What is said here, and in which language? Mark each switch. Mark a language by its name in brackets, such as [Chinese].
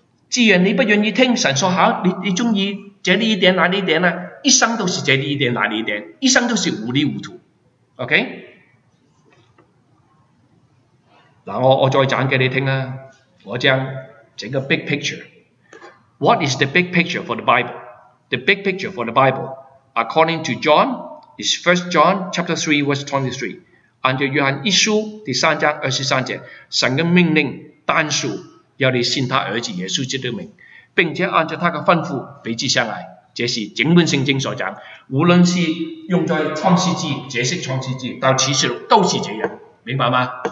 [Chinese] 既然你不愿意听神说好，你喜欢这一点那一点，一生都是这一点那一点，一生都是糊里糊涂， OK？那我再讲给你听，我讲整个 big picture。 [English] What is the big picture for the Bible? The big picture for the Bible according to John is 1 John 3:23， [Chinese] 按照约翰一书3:23，神的命令单数要你信他儿子耶稣基督的名，并且按照他的吩咐彼此相爱，这是整本圣经所讲，无论是用在创世纪解释创世纪到启示录都是这样，明白吗？